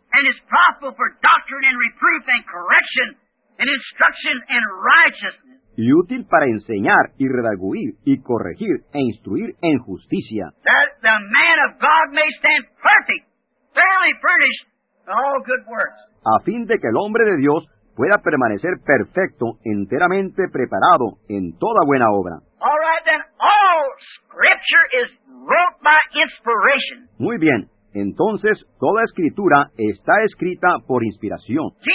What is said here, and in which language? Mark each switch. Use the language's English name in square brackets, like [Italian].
[English] And is profitable for doctrine and reproof and correction and instruction and righteousness. [Spanish] Y útil para enseñar y redarguir y corregir e instruir en justicia. [English] That the man of God may stand perfect, fairly furnished with all good works. [Spanish] A fin de que el hombre de Dios pueda permanecer perfecto, enteramente preparado en toda buena obra. [English] All right, then. All scripture is wrote by inspiration. [Spanish] Muy bien. Entonces, toda escritura está escrita por inspiración.